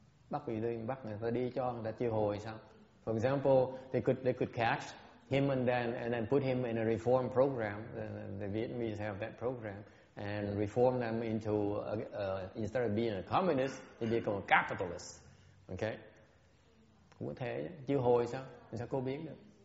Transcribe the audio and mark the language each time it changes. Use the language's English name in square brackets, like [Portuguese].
[Vietnamese] Bắt vì lên bắt người ta đi cho người ta chiêu hồi sao? [English] For example, they could catch him and then put him in a reform program. The Vietnamese have that program and reform them into instead of being a communist, they become a capitalist. Okay? [Vietnamese] Cũng thế chiêu hồi sao cô biết được?